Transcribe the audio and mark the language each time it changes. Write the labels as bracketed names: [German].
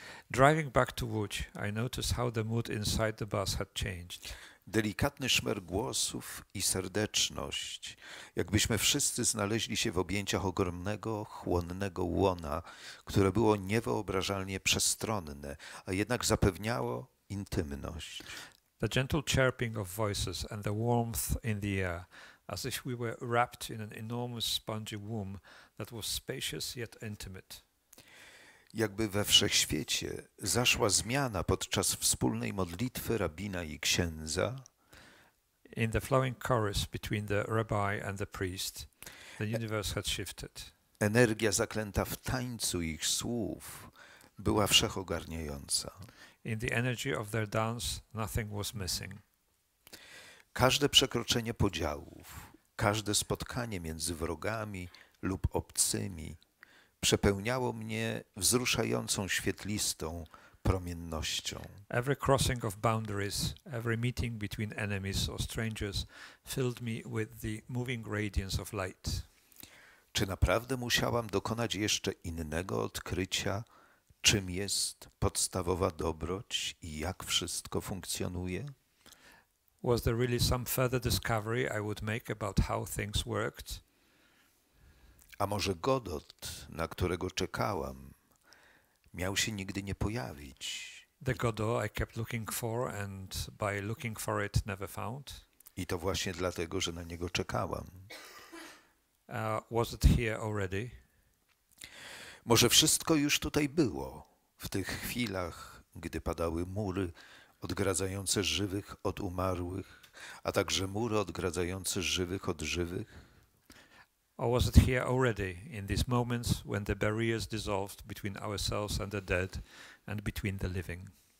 [English] Driving back to Łódź, I noticed how the mood inside the bus had changed. [Polish] Delikatny szmer głosów i serdeczność, jakbyśmy wszyscy znaleźli się w objęciach ogromnego, chłonnego łona, które było niewyobrażalnie przestronne, a jednak zapewniało intymność. [English] The gentle chirping of voices and the warmth in the air, as if we were wrapped in an enormous spongy womb that was spacious yet intimate. [Polish] Jakby we wszechświecie zaszła zmiana podczas wspólnej modlitwy rabina i księdza. [English] in the flowing chorus between the rabbi and the priest, the universe had shifted. [Polish] Energia zaklęta w tańcu ich słów była wszechogarniająca. [English] In the energy of their dance, nothing was missing. [Polish] Każde przekroczenie podziałów, każde spotkanie między wrogami lub obcymi przepełniało mnie wzruszającą, świetlistą promiennością. [English] Every crossing of boundaries, every meeting between enemies or strangers filled me with the moving radiance of light. [Polish] Czy naprawdę musiałam dokonać jeszcze innego odkrycia, czym jest podstawowa dobroć i jak wszystko funkcjonuje? [English] Was there really some further discovery I would make about how things worked? [Polish] A może Godot, na którego czekałam, miał się nigdy nie pojawić? [English] The Godot I kept looking for and by looking for it never found. [Polish] I to właśnie dlatego, że na niego czekałam. [English] Was it here already? [Polish] Może wszystko już tutaj było, w tych chwilach, gdy padały mury odgradzające żywych od umarłych, a także mury odgradzające żywych od żywych? [English] Or was it here already, in these moments when the barriers dissolved between ourselves and the dead and between the living?